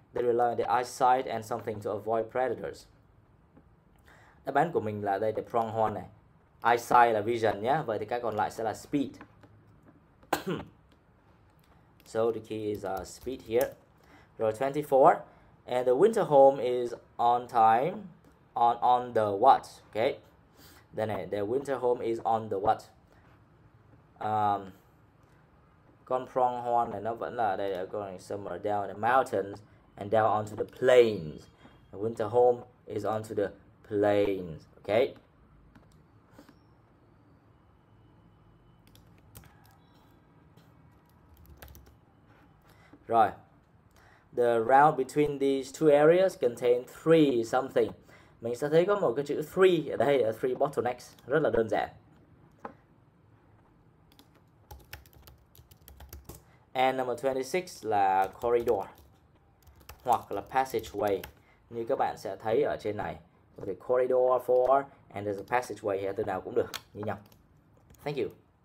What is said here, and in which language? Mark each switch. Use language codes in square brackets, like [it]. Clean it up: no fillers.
[en] They rely on the eyesight and something to avoid predators. [vi] Đáp án của mình là đây, the pronghorn này. Eyesight là vision nhé. Vậy thì cái còn lại sẽ là speed. [en] So the key is speed here. Row 24. And the winter home is on time. On the what? Okay. [vi] Đây này, [en] the winter home is on the what? [vi] Con pronghorn này nó vẫn là đây, [en] they're going somewhere down the mountains and down onto the plains. The winter home is onto the plains. Okay. [vi] Rồi. [en] The route between these two areas contain three something. [vi] Mình sẽ thấy có một cái chữ three ở đây, là [en] three bottlenecks, [vi] rất là đơn giản. [en] And number 26 là corridor hoặc là passageway. [vi] Như các bạn sẽ thấy ở trên này, có thể [en] corridor for and there's a passageway here, [vi] từ nào cũng được, như nhau. [en] Thank you.